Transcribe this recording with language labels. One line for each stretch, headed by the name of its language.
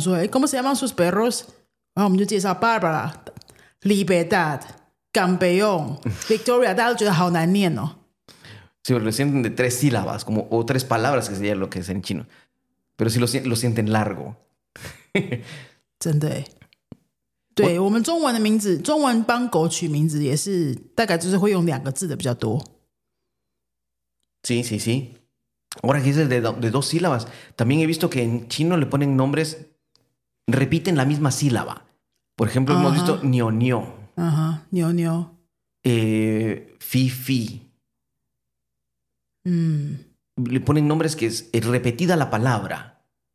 Spanish: ¿Cómo se llaman sus perros? Bárbara, Libertad, Campeón, Victoria. Sí, pero lo sienten de 3 sílabas como, o 3 palabras, que sería lo que es en chino. Pero sí lo sienten largo.
Chinese: 真的，对我们中文的名字，中文帮狗取名字也是大概就是会用两个字的比较多。
Spanish: Sí, sí, sí. Ahora que dices de 2 sílabas, también he visto que en chino le ponen nombres, repiten la misma sílaba. Por ejemplo, hemos visto Nio Nio. Ajá, Nio Nio. Fifi. Le ponen nombres que es repetida la palabra.